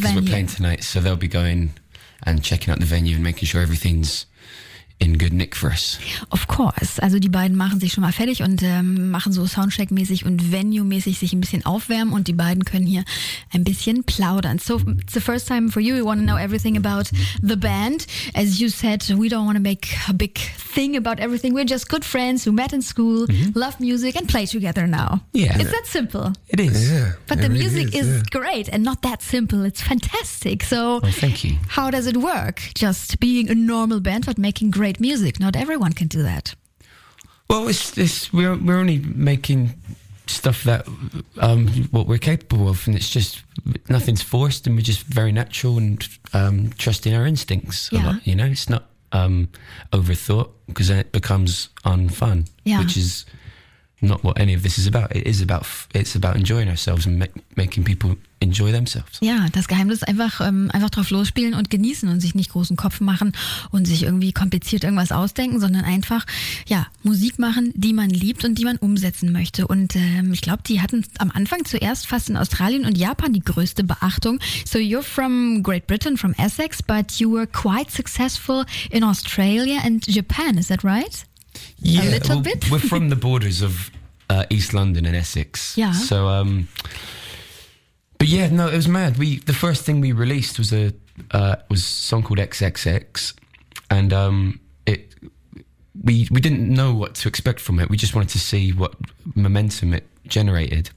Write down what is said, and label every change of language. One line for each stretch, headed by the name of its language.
English: Yeah, because we're playing tonight, so they'll be going and checking out the venue and making sure everything's in good nick for us. Of course.
German: Also die beiden machen sich schon mal fertig und machen so Soundcheck-mäßig und Venue-mäßig sich ein bisschen aufwärmen, und die beiden können hier ein bisschen plaudern.
English: So it's the first time for you. We want to know everything about the band. As you said, we don't want to make a big thing about everything. We're just good friends who met in school, love music and play together now. Yeah. It's that simple. It is. Yeah. But the really music is great and not that simple. It's fantastic. So thank you. How does it work? Just being a normal band but making great music. Not everyone can do that. Well, we're only making stuff that what we're capable of, and it's just nothing's forced, and we're just very natural and trusting our instincts a lot. You know, it's not overthought, because then it becomes unfun, which is not what any of this is about. It is about it's about enjoying ourselves and making people enjoy themselves.
German: Ja, das Geheimnis, einfach drauf losspielen und genießen und sich nicht großen Kopf machen und sich irgendwie kompliziert irgendwas ausdenken, sondern einfach Musik machen, die man liebt und die man umsetzen möchte. Und ich glaube, die hatten am Anfang zuerst fast in Australien und Japan die größte Beachtung.
English: So you're from Great Britain, from Essex, but you were quite successful in Australia and Japan, is that right? Yeah, a little bit. We're from the borders of East London and Essex. Yeah. So, but yeah, no, it was mad. The first thing we released was a song called XXX, and we didn't know what to expect from it. We just wanted to see what momentum it generated.